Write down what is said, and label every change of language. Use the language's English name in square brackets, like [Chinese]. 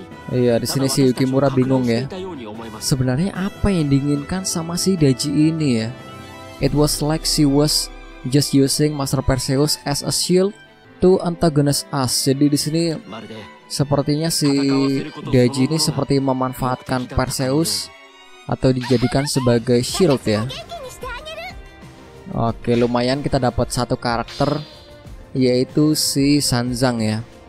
[Indonesian] Iya, di sini si Yukimura bingung ya. Sebenarnya apa yang diinginkan sama si Daji ini ya? [English] It was like she was just using Master Perseus as a shield to antagonize us. [Indonesian] Jadi di sini sepertinya si Daji ini seperti memanfaatkan Perseus atau dijadikan sebagai shield ya. Oke, lumayan kita dapat satu karakter yaitu si Sanzang ya.